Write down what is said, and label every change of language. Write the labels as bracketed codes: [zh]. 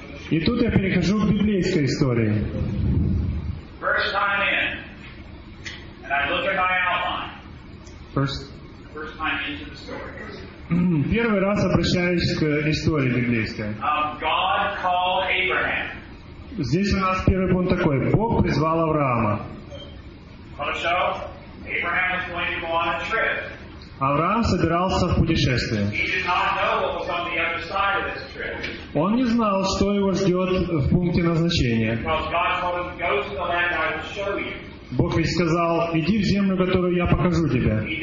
[ru] И тут я перехожу к библейской истории. [en] First time in, and I look at my outline. First time into the story. [ru] Первый раз обращаюсь к истории библейской. [en] God called Abraham. [ru] Здесь у нас первый пункт такой. Бог призвал Авраама. [en] Хорошо. Abraham was going to go on a trip. [ru] Авраам собирался в путешествие. [en] He did not know what was on the other side of this trip. [ru] Он не знал, что его ждет в пункте назначения. [en] Because God told him, go to the land that I will show you. [ru] Бог ведь сказал, иди в землю, которую я покажу тебе.